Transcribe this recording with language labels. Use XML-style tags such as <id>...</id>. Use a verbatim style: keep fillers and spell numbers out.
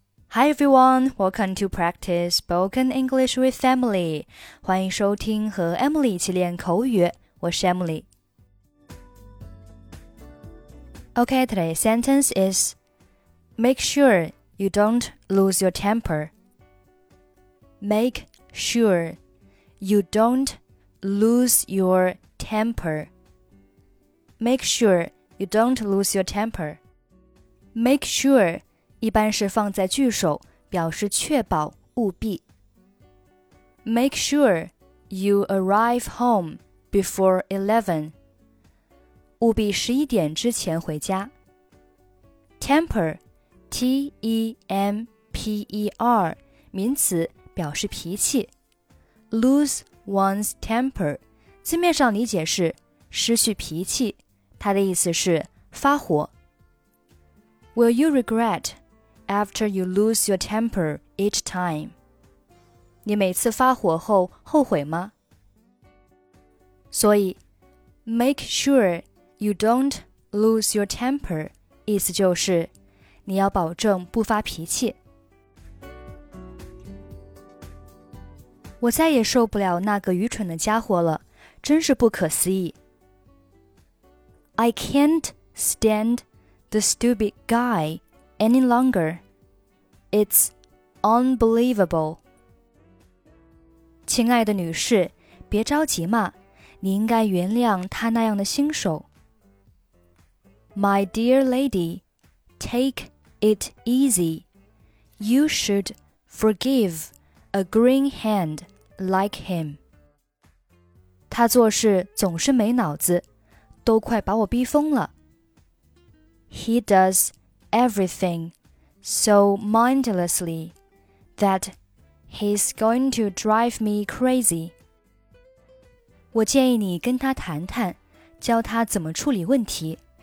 <en>Hi everyone, welcome to practice spoken English with Emily.</en> <zh>欢迎收听和 Emily 一起练口语，我是 Emily.</zh> <en>Okay, today's sentence is Make sure you don't lose your temper. Make sure you don't lose your temper. Make sure you don't lose your temper. Make sure.</en> <zh>一般是放在句首，表示确保务必。</zh> <en>Make sure you arrive home before eleven.</en> <zh>务必十一点之前回家。</zh> <en>Temper, T E M P E R,</en> <zh>名词，表示脾气。</zh> <en>Lose one's temper,</en> <zh>字面上理解是失去脾气，它的意思是发火。</zh> <en>Will you regret? After you lose your temper each time.</en> <zh>你每次发火后后悔吗？所以</zh> <en>make sure you don't lose your temper</en> <zh>意思就是你要保证不发脾气。我再也受不了那个愚蠢的家伙了，真是不可思议。</zh> <en>I can't stand the stupid guy. Any longer. It's unbelievable.</en> <zh>亲爱的女士，别着急嘛，你应该原谅他那样的新手。</zh> <en>My dear lady, take it easy. You should forgive a green hand like him.</en> <zh>他做事总是没脑子，都快把我逼疯了。</zh> <en>He does. Everything so mindlessly that he's going to drive me crazy.</en> <zh>我建议你跟他谈谈，教他怎么处理问题。</zh>